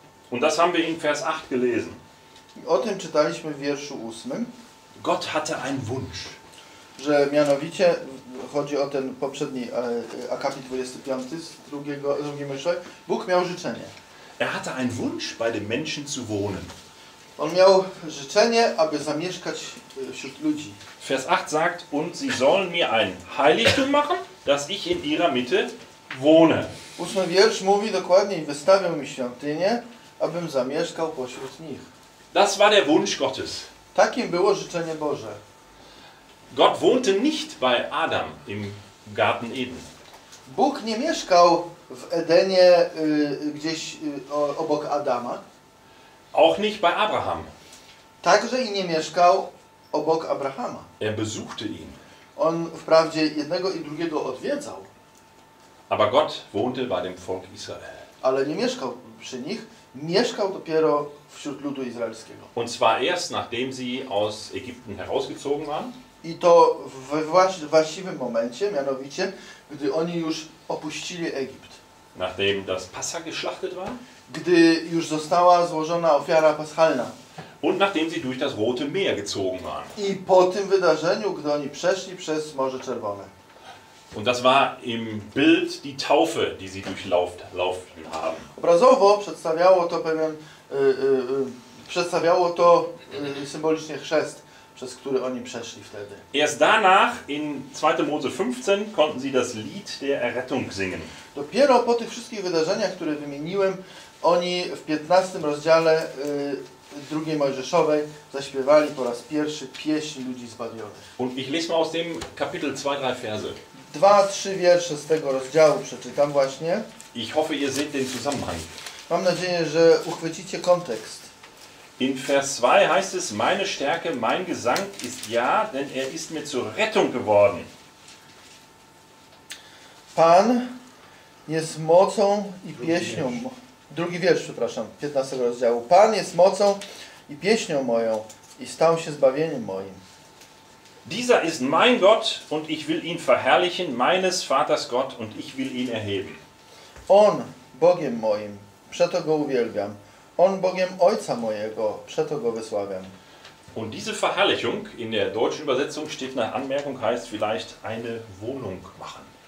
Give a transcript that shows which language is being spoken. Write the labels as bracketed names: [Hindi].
[German] Und das haben wir in Vers 8 gelesen. [Polish] O tym czytaliśmy w wierszu 8. [German] Gott hatte einen Wunsch. [Polish] Że mianowicie chodzi o ten poprzedni akapit 25 z drugim rozdziałem. Bóg miał życzenie. [German] Er hatte einen Wunsch, bei den Menschen zu wohnen. [Polish] On miał życzenie, aby zamieszkać wśród ludzi. [German] Vers 8 sagt, und sie sollen mir ein Heiligtum machen, dass ich in ihrer Mitte wohne. [Polish] 8. wiersz mówi dokładnie, wystawią mi świątynię, abym zamieszkał pośród nich. [German] Das war der Wunsch Gottes. [Polish] Takim było życzenie Boże. [German] Gott wohnte nicht bei Adam im Garten Eden. [Polish] Bóg nie mieszkał w Edenie gdzieś obok Adama. [German] Auch nicht bei Abraham. [Polish] Także i nie mieszkał obok Abrahama. [German] Er besuchte ihn. [Polish] On wprawdzie jednego i drugiego odwiedzał. [German] Aber Gott wohnte bei dem Volk Israel. [Polish] Ale nie mieszkał przy nich, mieszkał dopiero wśród ludu izraelskiego. [German] Und zwar erst nachdem sie aus Ägypten herausgezogen waren. [Polish] I to w właściwym momencie, mianowicie, gdy oni już opuścili Egipt. [German] Nachdem das Passa geschlachtet war. [Polish] Gdy już została złożona ofiara paschalna. [German] Und nachdem sie durch das Rote Meer gezogen waren. [Polish] I po tym wydarzeniu, gdy oni przeszli przez Morze Czerwone. [German] Und das war im Bild die Taufe, die sie durchlaufen haben. [Polish] Obrazowo przedstawiało to pewien, symbolicznie chrzest, przez który oni przeszli wtedy. [German] Erst danach, in 2. Mose 15, konnten sie das Lied der Errettung singen. [Polish] Dopiero po tych wszystkich wydarzeniach, które wymieniłem, oni w 15 rozdziale drugiej Mojżeszowej zaśpiewali po raz pierwszy pieśń ludzi zbawionych. [German] Und ich lese mal aus dem Kapitel 2-3 Verse. [Polish] 2-3 wiersze z tego rozdziału przeczytam właśnie. [German] Ich hoffe, ihr seht den Zusammenhang. [Polish] Mam nadzieję, że uchwycicie kontekst. [German] In Vers 2 heißt es, meine Stärke, mein Gesang ist ja, denn er ist mir zur Rettung geworden. [Polish] Pan jest mocą i pieśnią. Drugi wiersz, przepraszam, 15 rozdziału. Pan jest mocą i pieśnią moją i stał się zbawieniem moim. [German] Dieser ist mein Gott und ich will ihn verherrlichen, meines Vaters Gott und ich will ihn erheben. [Polish] On Bogiem moim, przeto go uwielbiam. On Bogiem Ojca mojego, przeto go wysławiam. [German] Und diese Verherrlichung in der deutschen Übersetzung steht nach Anmerkung heißt vielleicht eine Wohnung machen.